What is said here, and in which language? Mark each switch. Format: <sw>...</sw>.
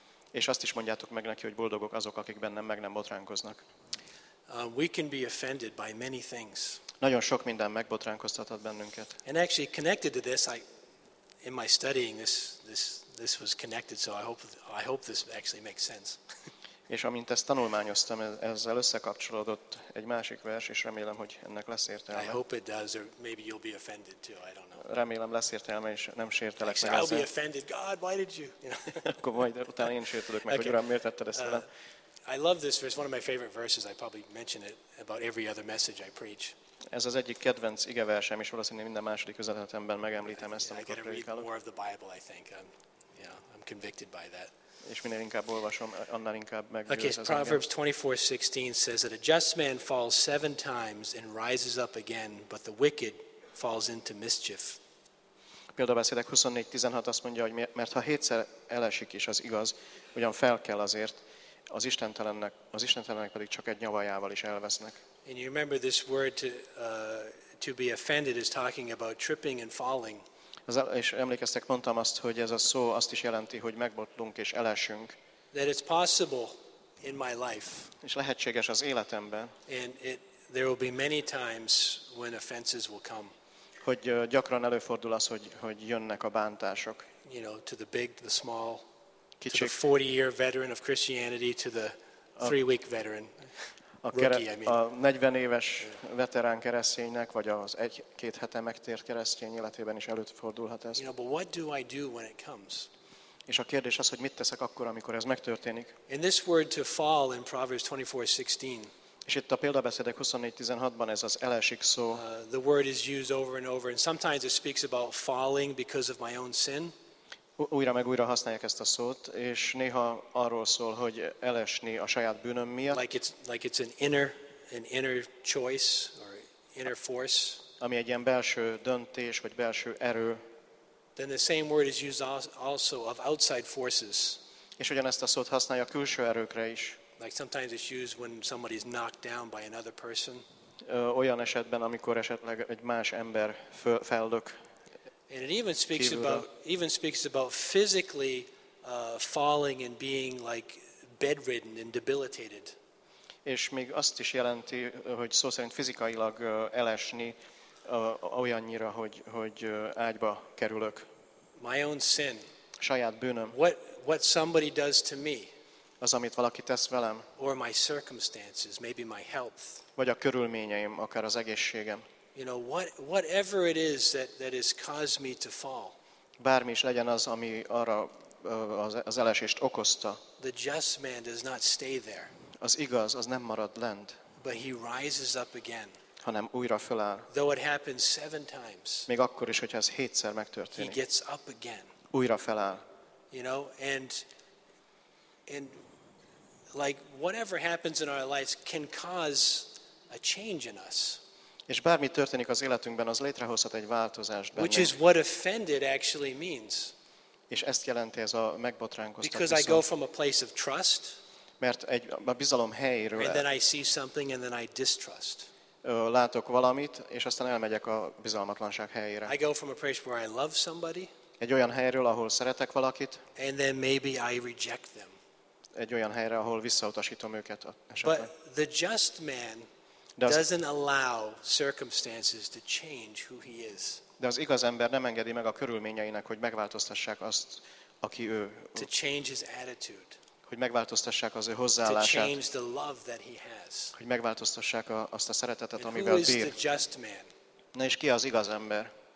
<hu>És azt is mondjátok meg neki, hogy boldogok azok, akik bennem meg nem botránkoznak.</hu> <en>We can be offended by many things.</en> <hu>Nagyon sok minden megbotránkoztathat bennünket.</hu> <en>And actually connected to this, in my studying this was connected, so I hope this actually makes sense.</en> <hu>És amint ezt tanulmányoztam, ezzel összekapcsolódott egy másik vers, és remélem, hogy ennek lesz értelme.</hu> <en>I hope it does, or maybe you'll be offended too. I don't know.</en> <hu>Remélem lesz értelme, és nem sértelek</hu> <en>meg. I'll be offended. God, why did you?</en> <hu>Akkor majd utána én sértődök meg, hogy Uram, miért tetted ezt velem?</hu> <en>I love this verse. One of my favorite verses. I probably mention it about every other message I preach.</en> <hu>Ez az egyik kedvenc igeversem, és valószínűleg minden második üzenetemben megemlítem ezt, amikor</hu> <en>prédikálok. I get to read more of the Bible, I think. I'm convicted by that.</en> <hu>És minél inkább olvasom, annál inkább meggyőz az engem.</hu> <en>Okay, Proverbs 24:16 says that a just man falls 7 times and rises up again, but the wicked falls into mischief.</en> <hu>Példabeszédek 24:16 azt mondja, hogy mert ha 7-szer elesik is az igaz, ugyan fel kell azért, az istentelenek pedig csak egy nyavajával is elvesznek.</hu> <en>And you remember this word to be offended is talking about tripping and falling.</en> <hu>És emlékeztek, mondtam azt, hogy ez a szó azt is jelenti, hogy megbotlunk és elesünk.</hu> <en>That it's possible in my life.</en> <hu>És lehetséges az életemben.</hu> <en>And there will be many times when offenses will come.</en> <hu>Hogy gyakran előfordul az, hogy jönnek a bántások.</hu> <en>You know, to the big, the small, kicsik, to the 40-year veteran of Christianity, to the 3-week veteran.</en> <hu>A 40 éves veterán kereszténynek, vagy az 1-2 hete megtért keresztény életében is előfordulhat ez.</hu> <en>You know, but what do I do when it comes?</en> <hu>És a kérdés az, hogy mit teszek akkor, amikor ez megtörténik.</hu> <en>In this word to fall in Proverbs 24:16.</en> <hu>És itt a példabeszédek 24:16-ban ez az elesik szó.</hu> <en>The word is used over and over, and sometimes it speaks about falling because of my own sin.</en> <hu>Újra meg újra használják ezt a szót, és néha arról szól, hogy elesni a saját bűnöm miatt.</hu> <en>Like it's an inner choice or inner force.</en> <hu>Ami egy ilyen belső döntés vagy belső erő.</hu> <en>Then the same word is used also of outside forces.</en> <hu>És ugyanezt a szót használja külső erőkre is.</hu> <en>Like sometimes it's used when somebody is knocked down by another person.</en> <hu>Olyan esetben, amikor esetleg egy más ember feldök.</hu> <en>And it even speaks kívülre. about physically falling and being like bedridden and debilitated.</en> <hu>És még azt is jelenti, hogy szó szerint fizikailag elesni olyannyira, hogy ágyba kerülök.</hu> <en>My own sin.</en> <hu>Saját bűnöm.</hu> <en>What somebody does to me.</en> <hu>Az, amit valaki tesz velem.</hu> <en>Or my circumstances, maybe my health.</en> <hu>Vagy a körülményeim, akár az egészségem.</hu> <en>You know, whatever it is that has caused me to fall.</en> <hu>Bármi is legyen az, ami arra az elesést okozta.</hu> <en>The just man does not stay there.</en> <hu>Az igaz, az nem marad lent.</hu> <en>But he rises up again.</en> <hu>Hanem újra föláll.</hu> <en>Though it happens 7 times.</en> <hu>Még akkor is, hogyha ez 7-szer megtörténik.</hu> <en>He gets up again.</en> <hu>Újra feláll.</hu> <en>You know, and like whatever happens in our lives can cause a change in us.</en> <hu>És bármi történik az életünkben, az létrehozhat egy változást bennünk.</hu> <en>Which is what offended actually means.</en> <hu>És ezt jelenti ez a megbotránkoztatni</hu> <en>szó. Because I go from a place of trust.</en> <hu>Mert egy a bizalom helyéről.</hu> <en>And then I see something and then I distrust.</en> <hu>Látok valamit, és aztán elmegyek a bizalmatlanság helyére.</hu> <en>I go from a place where I love somebody.</en> <hu>Egy olyan helyről, ahol szeretek valakit.</hu> <en>And then maybe I reject them.</en> <hu>Egy olyan helyre, ahol visszautasítom őket esetleg.</hu> <en>But the just man doesn't allow circumstances to change who he is.</en> <hu>De az igaz ember nem engedi meg a körülményeinek, hogy megváltoztassák azt, aki ő.</hu> <en>To change his attitude.</en> <hu>Hogy megváltoztassák az ő hozzáállását.</hu> <en>To change the love that he has.</en> <hu>Hogy megváltoztassák azt a szeretetet, amivel bír.</hu> <en>Who is the just man?</en> <hu>Na és ki az igaz ember?</hu>